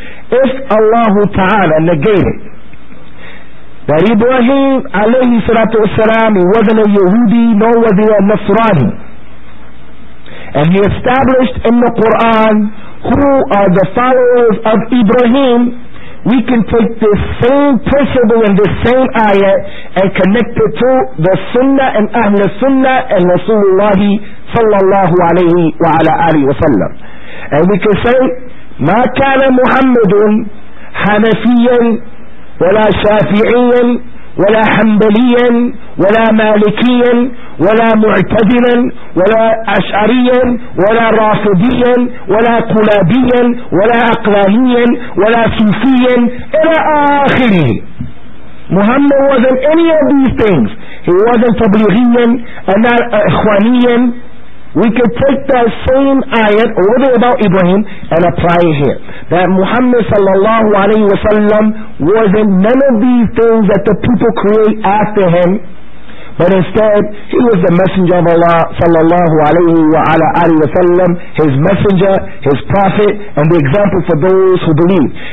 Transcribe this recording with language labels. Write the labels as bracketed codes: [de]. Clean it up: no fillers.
[en] If Allah Ta'ala negated that Ibrahim alayhi salatu wasalam, he wasn't a Yahudi, nor was he a Nasrani, and he established in the Quran who are the followers of Ibrahim, we can take this same principle and this same ayah and connect it to the Sunnah and Ahl Sunnah and Rasulullah sallallahu alayhi wa ala alihi wa sallam. And we can say, [ar] ما كان محمد حنفيا ولا شافعيا ولا حنبليا ولا مالكيا ولا معتدلا ولا أشعريا ولا رافضيا ولا قلابيا ولا أقلاميا ولا صوفيا إلى آخره. [en] Muhammad wasn't any of these things. He wasn't تبلغيا and not إخوانيا. We could take that same ayat over about Ibrahim and apply it here. That Muhammad sallallahu alayhi wa sallam wasn't none of these things that the people create after him, but instead he was the messenger of Allah sallallahu alayhi wa ala alayhi wa sallam, his messenger, his prophet, and the example for those who believe.